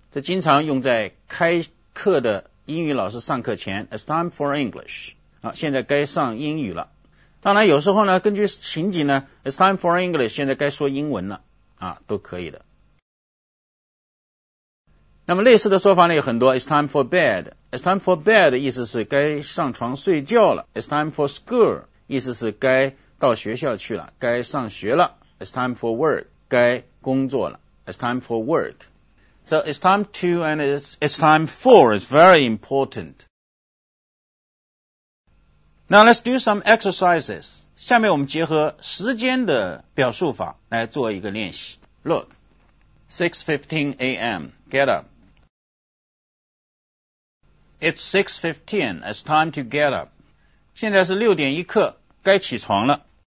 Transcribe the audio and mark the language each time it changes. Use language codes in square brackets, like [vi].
[zh] 这经常用在开课的英语老师上课前 [en] It's time for English [zh] 好现在该上英语了当然有时候呢根据情景呢 It's time for English 现在该说英文了啊，都可以的那么类似的说法呢有很多 [en] It's time for bed [zh] It's time for bed 意思是该上床睡觉了 [en] It's time for school [zh] 意思是该到学校去了该上学了 [en] It's time for work [zh] 该工作了 It's time for work [en] So it's time to and it's time for. It's very important. Now let's do some exercises. [zh] 下面我们结合时间的表述法来做一个练习。 [en] Look, 6:15 a.m. Get up. It's 6:15. It's time to get up. [zh] 现在是六点一刻，该起床了。